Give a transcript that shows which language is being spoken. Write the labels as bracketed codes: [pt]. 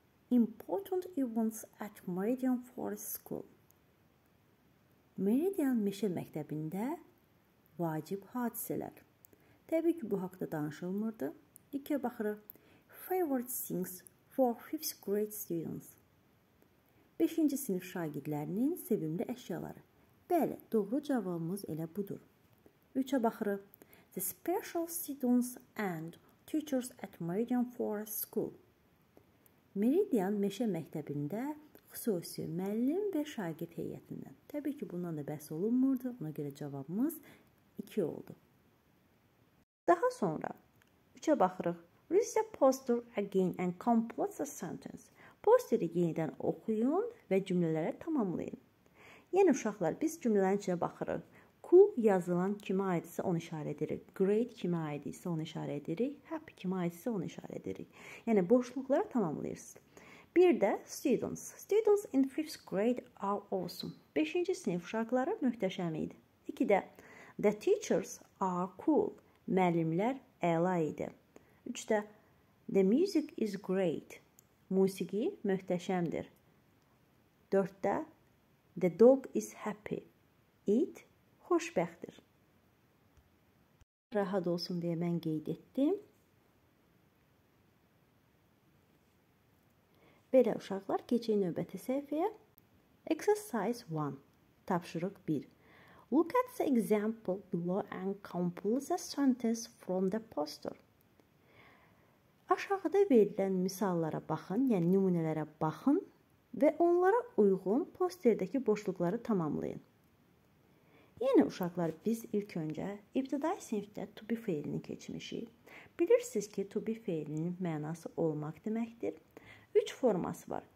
[en] Important events at Meridian Forest School. [az] Meridian meşə məktəbində vacib hadisələr. Təbii ki, bu haqda danışılmırdı. İkiyə baxırıq. [en] Favorite things for 5th grade students. [az] 5-ci sinif şagirdlərinin sevimli əşyaları. Bəli, doğru cavabımız elə budur. 3-ə baxırıq. [en] The special students and teachers at Meridian Forest School. [az] Meridian meşə məktəbində xüsusi müəllim və şagird heyətindən. Təbii ki, bundan da bəhs olunmurdu, ona görə cavabımız 2 oldu. Daha sonra 3-ə baxırıq. [en] Read the poster again and complete the sentence. [az] Posteri yenidən oxuyun və cümlələri tamamlayın. Yəni, uşaqlar, biz cümlələrin içində baxırıq. Cool yazılan kimi aid isə onu işarə edirik. Great kimi aid isə onu işarə edirik. Happy kimi aid isə onu işarə edirik. Yəni, boşluqları tamamlayırsınız. Bir də students. [en] Students in fifth grade are awesome. [az] 5-ci sinif uşaqları möhtəşəm idi. 2-də [en] the teachers are cool. [az] Müəllimlər əla idi. 3-də [en] the music is great. [az] Musiqi möhtəşəmdir. 4-də [en] the dog is happy. [az] It xoşbəxtdir. Rahat olsun deyə mən qeyd etdim. Belə uşaqlar, keçək növbəti səhifəyə. [en] Exercise 1. [az] Tapşırıq 1. [en] Look at the example below and complete the sentence from the poster. [az] Aşağıda verilən misallara baxın, yəni nümunələrə baxın və onlara uyğun posterdəki boşluqları tamamlayın. Yəni, uşaqlar, biz ilk öncə ibtidai sinifdə to be fiilini keçmişik. Bilirsiniz ki, to be fiilinin mənası olmaq deməkdir. Üç forması var.